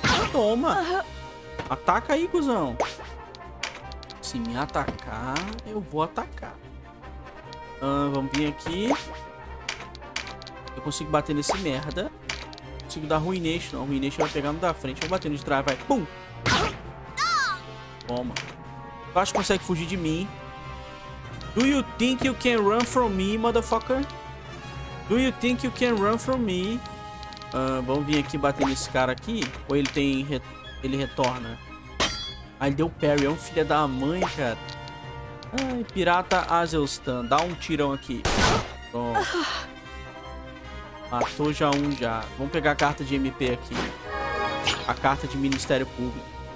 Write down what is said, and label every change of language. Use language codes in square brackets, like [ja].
[pt] Toma. Ataca aí, cuzão. Se me atacar, eu vou atacar. Vamos vir aqui. Eu consigo bater nesse merda. Consigo dar Ruination. Não, Ruination vai pegar no da frente. Vamos bater no de trás, vai. Pum. Toma. Tu acha que consegue fugir de mim? [en] Do you think you can run from me, motherfucker? Do you think you can run from me? [pt] Vamos vir aqui bater nesse cara aqui. Ou ele tem... ele retorna. Ah, ele deu parry. É um filho da mãe, cara. Ai, pirata Azelstan. Dá um tirão aqui. Pronto. Matou já um já. Vamos pegar a carta de MP aqui. A carta de Ministério Público.